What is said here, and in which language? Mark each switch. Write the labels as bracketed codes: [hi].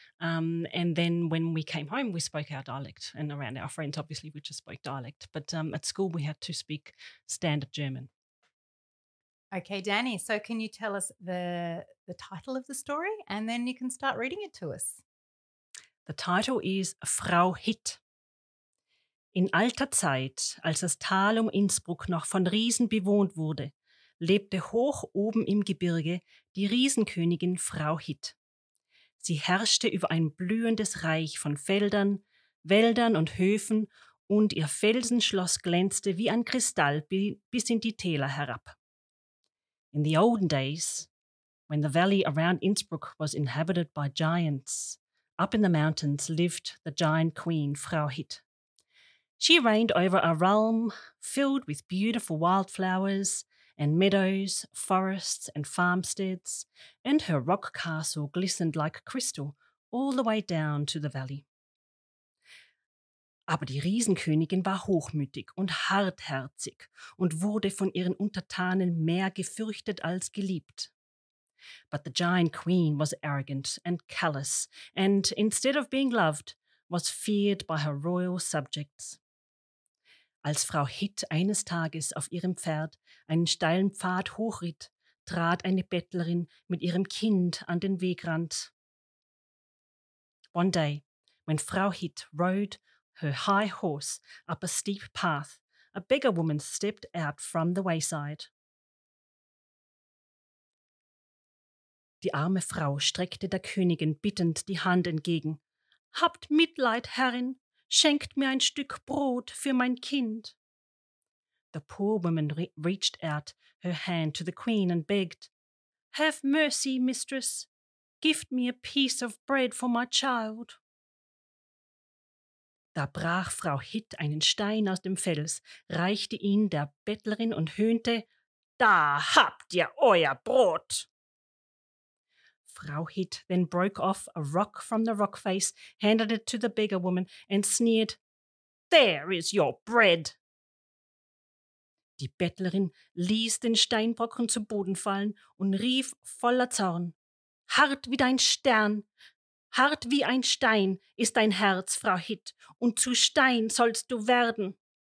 [en] And then when we came home, we spoke our dialect. And around our friends, obviously, we just spoke dialect. But at school, we had to speak standard German. Okay, Danny, so can you tell us the title of the story and then you can start reading it to us? The title is Frau Hit. [de] In alter Zeit, als das Tal um Innsbruck noch von Riesen bewohnt wurde, lebte hoch oben im Gebirge die Riesenkönigin Frau Hit. Sie herrschte über ein blühendes Reich von Feldern, Wäldern und Höfen und ihr Felsenschloss glänzte wie ein Kristall bis in die Täler herab. [en] In the olden days, when the valley around Innsbruck was inhabited by giants, up in the mountains lived the giant queen, Frau Hit. She reigned over a realm filled with beautiful wildflowers and meadows, forests and farmsteads, and her rock castle glistened like crystal all the way down to the valley. [de] Aber die Riesenkönigin war hochmütig und hartherzig und wurde von ihren Untertanen mehr gefürchtet als geliebt. [en] But the giant queen was arrogant and callous and, instead of being loved, was feared by her royal subjects. [de] Als Frau Hit eines Tages auf ihrem Pferd einen steilen Pfad hochritt, trat eine Bettlerin mit ihrem Kind an den Wegrand. [en] One day, when Frau Hit rode her high horse up a steep path, a beggar woman stepped out from the wayside. [de] Die arme Frau streckte der Königin bittend die Hand entgegen. Habt Mitleid, Herrin, schenkt mir ein Stück Brot für mein Kind. [en] The poor woman reached out her hand to the queen and begged, Have mercy, mistress, gift me a piece of bread for my child. [de] Da brach Frau Hitt einen Stein aus dem Fels, reichte ihn der Bettlerin und höhnte, da habt ihr euer Brot. [en] Frau Hitt then broke off a rock from the rock face, handed it to the beggar woman and sneered, there is your bread. [de] Die Bettlerin ließ den Steinbrocken zu Boden fallen und rief voller Zorn, hart wie dein Stern, hart wie ein Stein ist dein Herz, Frau Hitt, und zu Stein sollst du werden.